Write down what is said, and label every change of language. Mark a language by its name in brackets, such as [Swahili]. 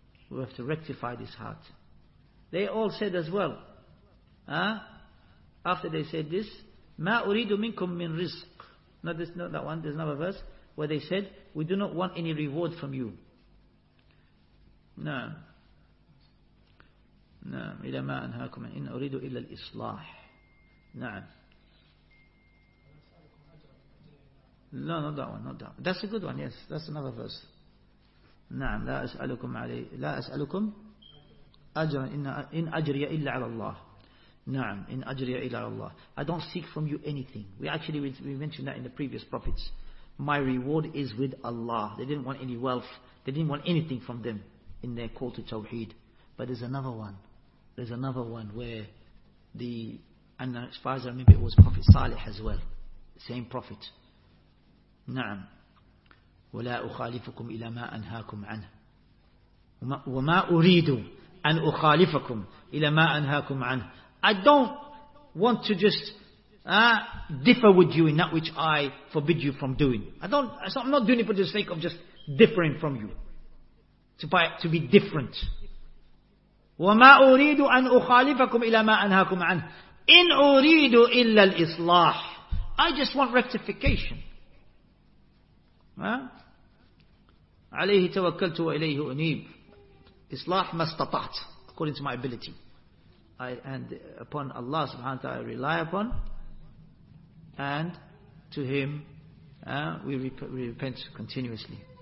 [English] We have to rectify this heart. They all said as well, after they said this, [Arabic] مَا أُرِيدُ مِنْكُمْ مِنْ رِزْقٍ [English] not that one, there's another verse, where they said, we do not want any reward from you. [Arabic] نعم إِلَى مَا أَنْهَاكُمْ إِنْ أُرِيدُ إِلَّا الْإِصْلَاحِ نعم [English] No, not that one, not that one. That's a good one, yes. That's another verse. [Arabic] نعم, لا أسألكم أجرا إن أجري إلا على الله. نعم, إن أجري إلا على الله. [English] I don't seek from you anything. We mentioned that in the previous prophets. My reward is with Allah. They didn't want any wealth. They didn't want anything from them in their call to Tawheed. But there's another one. There's another one where the, and as far as I remember, it was Prophet Salih as well. Same prophet. [Arabic] نعم ولا أخالفكم إلى ما أنهاكم عنه وما أريد أن أخالفكم إلى ما أنهاكم عنه [English] I don't want to just differ with you in that which I forbid you from doing. I'm not doing it for the sake of just differing from you. To be different. [Arabic] وما أريد أن أخالفكم إلى ما أنهاكم عنه إن أريد إلا الإصلاح [English] I just want rectification. [Arabic] عليه توكلت وإليه أنيب إصلاح ما استطعت [English] according to my ability and upon Allah subhanahu wa ta'ala I rely upon and to him we repent continuously.